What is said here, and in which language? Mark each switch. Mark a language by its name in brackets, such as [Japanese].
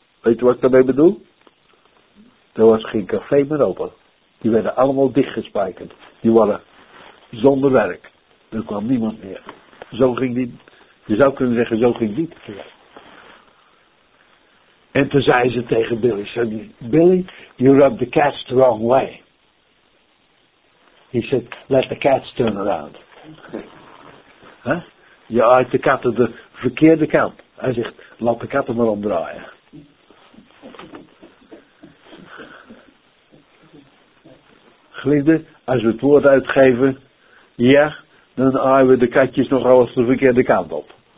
[Dutch] Weet je wat ik daarmee bedoel? Er was geen café meer open. Die werden allemaal dichtgespijkerd. Die waren zonder werk. Er kwam niemand meer. Zo ging die. Je zou kunnen zeggen, zo ging die. En toen zei ze tegen Billy. [English] Zei, Billy, you rub the cats the wrong way. He said, let the cats turn around. Huh? [Dutch] Je uit de katten de verkeerde kant. Hij zegt, laat de katten maar omdraaien. Geliefde, als we het woord uitgeven, ja, dan aaien we de katjes nogal eens de verkeerde kant op.